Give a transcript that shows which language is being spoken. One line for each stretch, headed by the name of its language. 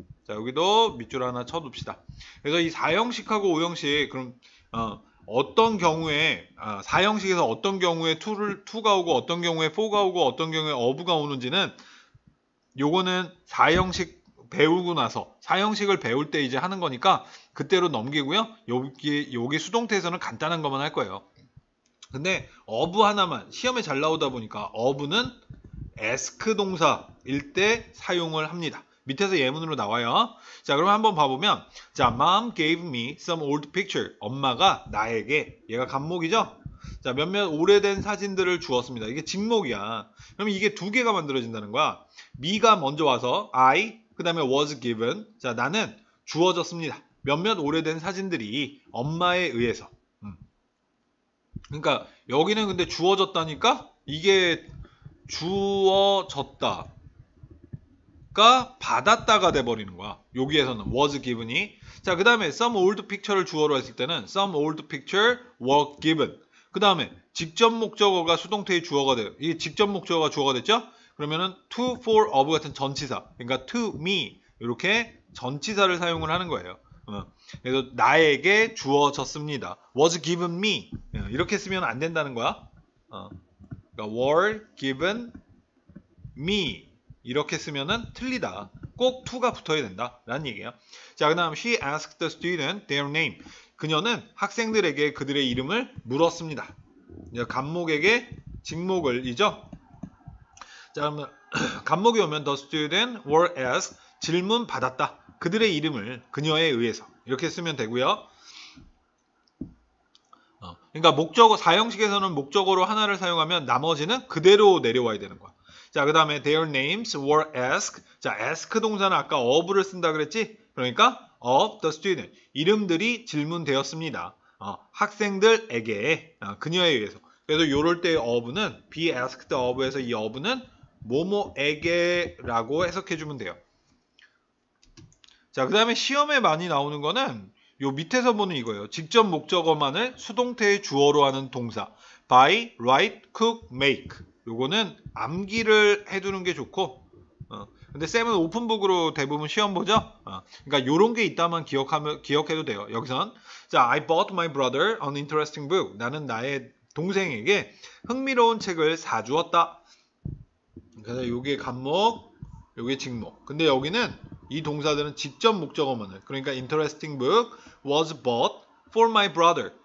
Korean: 자, 여기도 밑줄 하나 쳐둡시다. 그래서 이 4형식하고 5형식, 그럼 어떤 경우에 4형식에서 어떤 경우에 2가 오고 어떤 경우에 4가 오고 어떤 경우에 of가 오는지는 요거는 4형식 배우고 나서 4형식을 배울 때 이제 하는 거니까 그때로 넘기고요. 여기 수동태에서는 간단한 것만 할 거예요. 근데 of 하나만 시험에 잘 나오다 보니까 of는 ask 동사일 때 사용을 합니다. 밑에서 예문으로 나와요.
English: 자, 그럼 한번 봐보면, 자, mom gave me some old picture.
Korean: 엄마가 나에게, 얘가 갑목이죠? 자, 몇몇 오래된 사진들을 주었습니다. 이게 직목이야. 그럼 이게 두 개가 만들어진다는 거야. me가 먼저 와서 I, 그 다음에
English: was given.
Korean: 자, 나는 주어졌습니다. 몇몇 오래된 사진들이 엄마에 의해서. 그러니까 여기는 근데 주어졌다니까? 이게 주어졌다. 받았다가 돼버리는 거야. 여기에서는 was given이. 자, 그 다음에
English: some old picture를
Korean: 주어로 했을 때는
English: some old picture was given.
Korean: 그 다음에 직접 목적어가 수동태의 주어가 돼요. 이게 직접 목적어가 주어가 됐죠? 그러면은 to, for, of 같은 전치사. 그러니까
English: to, me.
Korean: 이렇게 전치사를 사용을 하는 거예요. 그래서 나에게 주어졌습니다.
English: was given me.
Korean: 이렇게 쓰면 안 된다는 거야. 그러니까
English: were given me.
Korean: 이렇게 쓰면은 틀리다. 꼭 to가 붙어야 된다. 라는 얘기예요. 자, 그 다음
English: she asked the student their name.
Korean: 그녀는 학생들에게 그들의 이름을 물었습니다. 갑목에게 직목을 이죠. 자, 그러면 갑목이 오면
English: the student were asked
Korean: 질문 받았다. 그들의 이름을 그녀에 의해서 이렇게 쓰면 되고요. 그러니까 목적어 4형식에서는 목적어로 하나를 사용하면 나머지는 그대로 내려와야 되는 거야. 자, 그 다음에
English: their names were asked.
Korean: 자, ask 동사는 아까 of를 쓴다 그랬지? 그러니까
English: of the student.
Korean: 이름들이 질문되었습니다. 학생들에게, 그녀에 의해서. 그래서 요럴 때 of는 be asked of에서 이 of는 뭐뭐에게라고 해석해 주면 돼요. 자, 그 다음에 시험에 많이 나오는 거는 요 밑에서 보는 이거예요. 직접 목적어만을 수동태의 주어로 하는 동사.
English: buy, write, cook, make.
Korean: 요거는 암기를 해두는 게 좋고, 근데 쌤은 오픈북으로 대부분 시험 보죠? 그러니까 요런 게 있다만 기억해도 돼요. 여기선.
English: 자, I bought my brother an interesting book.
Korean: 나는 나의 동생에게 흥미로운 책을 사주었다. 그래서 요게 갑목, 요게 직목. 근데 여기는 이 동사들은 직접 목적어만을. 그러니까
English: interesting book was bought for my brother.